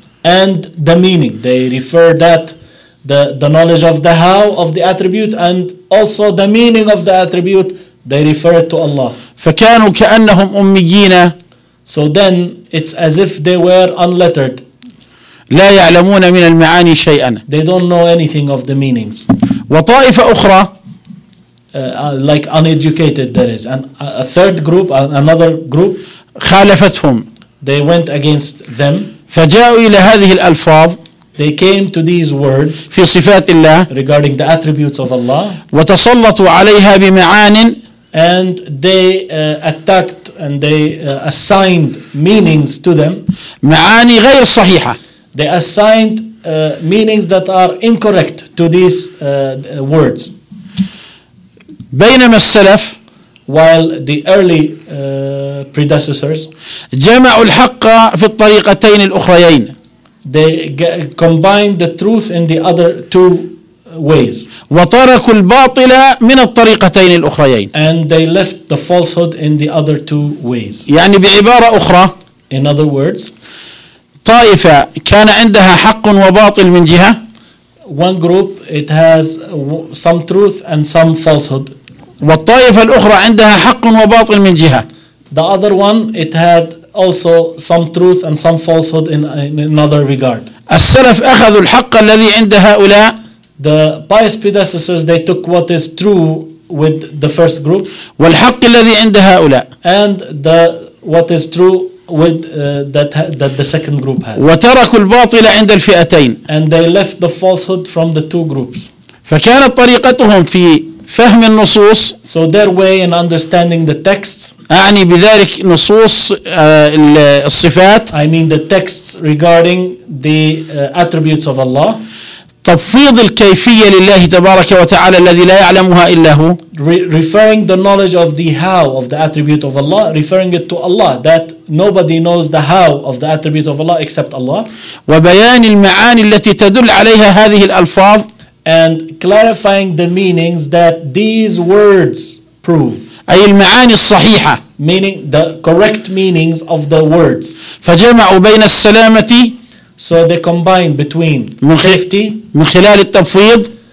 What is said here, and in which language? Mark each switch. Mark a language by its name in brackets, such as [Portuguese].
[English] and the meaning they refer that the knowledge of the how of the attribute and also the meaning of the attribute they refer it to Allah [Arabic] فكانوا كأنهم أميين [English] so then it's as if they were unlettered [Arabic] لا يعلمون من المعاني شيئا [English] they don't know anything of the meanings [Arabic] وطائفة أخرى [English] Like uneducated, that is, and a third group, another group, [Arabic] خالفتهم. [English] They went against them. [Arabic] فجاءوا إلى هذه الألفاظ. [English] They came to these words. [Arabic] في صفات الله. [English] Regarding the attributes of Allah. [Arabic] وتسلطوا عليها بمعان. [English] And they attacked and they assigned meanings to them. [Arabic] معاني غير صحيحة. [English] They assigned meanings that are incorrect to these words. [Arabic] بينما السلف [English] while the early predecessors [Arabic] جمعوا الحق في الطريقتين الأخريين [English] they combined the truth in the other two ways [Arabic] وتركوا الباطل من الطريقتين الأخريين [English] and they left the falsehood in the other two ways [Arabic] يعني بعبارة أخرى [English] in other words [Arabic] طائفة كان عندها حق وباطل من جهة [English] one group it has some truth and some falsehood [Arabic] والطائفة الأخرى عندها حق وباطل من جهة. [English] The other one it had also some truth and some falsehood in another regard. [Arabic] السلف أخذوا الحق الذي عند هؤلاء. [English] The pious predecessors they took what is true with the first group. [Arabic] والحق الذي عند هؤلاء. [English] And the what is true with that the second group has. [Arabic] وتركوا الباطل عند الفئتين. [English] And they left the falsehood from the two groups. [Arabic] فكانت طريقتهم في فهم النصوص [English] so their way in understanding the texts [Arabic] أعني بذلك نصوص الصفات [English] I mean the texts regarding the attributes of Allah [Arabic] تفويض الكيفية لله تبارك وتعالى الذي لا يعلمها إلا هو. [English] Referring the knowledge of the how of the attribute of Allah, referring it to Allah, that nobody knows the how of the attribute of Allah except Allah. [Arabic] وبيان المعاني التي تدل عليها هذه الألفاظ. [English] And clarifying the meanings that these words prove. [Arabic] أي المعاني الصحيحة. [English] Meaning the correct meanings of the words. [Arabic] فجمعوا بين السلامة. [English] So they combine between safety [Arabic] من خلال التفويض